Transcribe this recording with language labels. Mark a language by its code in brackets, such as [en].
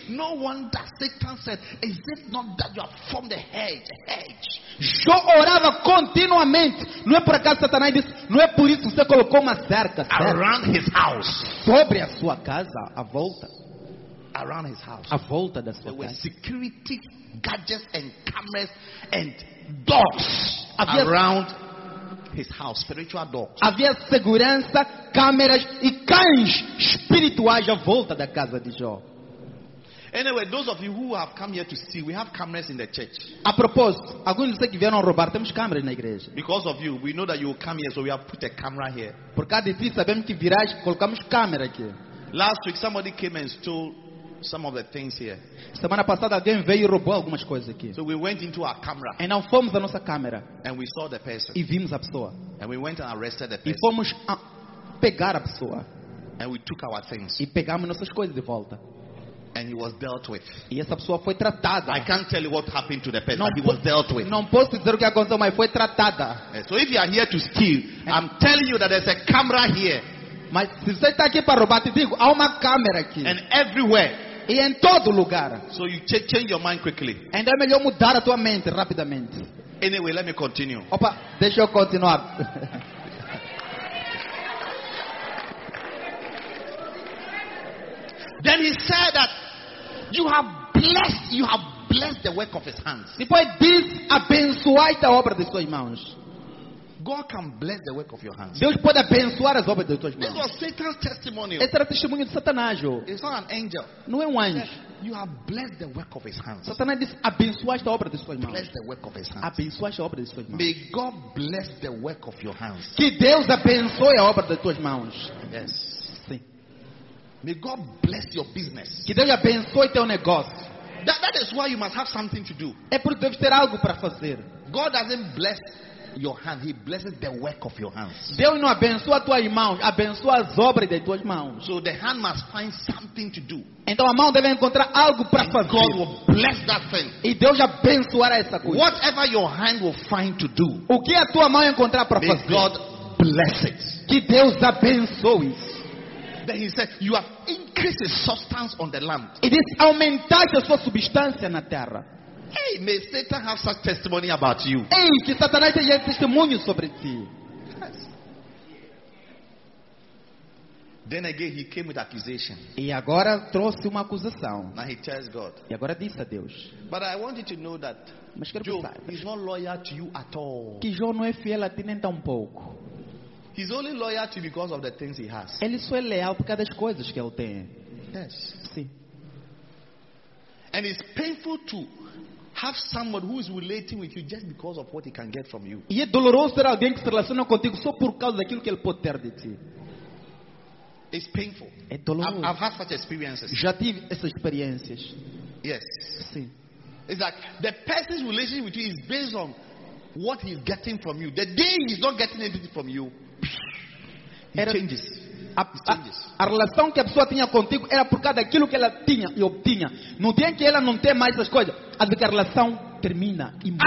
[en] No wonder Satan said, "Is it not that you have formed a hedge?" Hedge. [pt] Job orava continuamente. Não é por acaso Satanás disse, não é por isso que você colocou uma cerca, certo? [en] Around his house. [pt] Sobre a sua casa, à volta. [en] Around his house. [pt] À volta da sua [en] there [pt] casa. [en] There were security gadgets and cameras and doors around his house, spiritual dogs. [pt] Havia segurança, câmeras e cães espirituais à volta da casa de Jó. [en] Anyway, those of you who have come here to see, we have cameras in the church. [pt] A propósito, alguns de vocês que vieram roubar, temos câmeras na igreja. [en] Because of you, we know that you will come here, so we have put a camera here. [pt] Por causa de ti, sabemos que virás, colocamos câmera aqui. [en] Last week, somebody came and stole some of the things here. [pt] Semana passada alguém veio e roubou algumas coisas aqui. [en] So we went into our camera. [pt] E não fomos à nossa câmera. [en] And we saw the person. [pt] E vimos a pessoa. [en] And we went and arrested the person. [pt] E fomos a pegar a pessoa. [en] And we took our things. [pt] E pegamos nossas coisas de volta. [en] and he was dealt with. [pt] E essa pessoa foi tratada. [en] I can't tell you what happened to the person. Não, he was dealt with. [pt] Não posso dizer o que aconteceu, mas foi tratada. [en] So if you are here to steal, I'm telling you that there's a camera here. [pt] Mas se você está aqui para roubar, te digo, há uma câmera aqui. [en] And everywhere. [pt] E em todo lugar. [en] So you change your mind quickly. [pt] Então é melhor mudar a tua mente rapidamente. [en] Anyway, let me continue. [pt] Opa, deixa eu continuar. [en] Then he said that you have blessed the work of his hands. [pt] Depois diz, abençoai a obra de suas mãos. [en] God can bless the work of your hands. [pt] Deus pode abençoar as obras de suas mãos. [en] This was Satan's testimony. [pt] Esse era o testemunho de Satanás. [en] It's not an angel. [pt] Não é um anjo. [en] You have blessed the work of his hands. [pt] Satanás diz, abençoai a obra de suas mãos. [en] Bless the work of his hands. [pt] Abençoai a obra de suas mãos. [en] May God bless the work of your hands. [pt] Que Deus abençoe a obra de suas mãos. [en] Yes. [pt] Sim. [en] May God bless your business. [pt] Que Deus abençoe teu negócio. [en] That is why you must have something to do. [pt] É porque deve ter algo para fazer. [en] God doesn't bless your hand, he blesses the work of your hands. [pt] Deus não abençoa tua mão, abençoa as obras de tuas mãos. [en] So the hand must find something to do. [pt] Então a mão deve encontrar algo para fazer. [en] God will bless that thing. [pt] E Deus abençoará essa coisa. [en] Whatever your hand will find to do. [pt] O que a tua mão encontrar para fazer? [en] May God bless it. [pt] Que Deus abençoe. [en] Then he said, you have increased his substance on the land. [pt] E diz, aumentaste a sua substância na terra. [en] Hey, may Satan have such testimony about you. [pt] Ei, que Satanás tenha testemunho sobre ti. [en] Yes. Then again, he came with accusation. [pt] E agora trouxe uma acusação. [en] Now he tells God. [pt] E agora disse a Deus. [en] But I want you to know that Job is not loyal to you at all. [pt] Que Job não é fiel a ti nem tampouco. [en] He's only loyal to you because of the things he has. [pt] Ele só é leal por causa das coisas que ele tem. [en] Yes. [pt] Sim. [en] And it's painful too. Have someone who is relating with you just because of what he can get from you. [pt] E é doloroso ter alguém que se relaciona contigo só por causa daquilo que ele pode ter de ti. [en] It's painful. [pt] É doloroso. [en] I've had such experiences. [pt] Já tive essas experiências. [en] Yes. [pt] Sim. [en] It's like the person's relationship with you is based on what he's getting from you. The day he's not getting anything from you, it changes. [pt] A relação que a pessoa tinha contigo era por causa daquilo que ela tinha e obtinha. No dia em que ela não tem mais essas coisas, às vezes a relação termina e muda.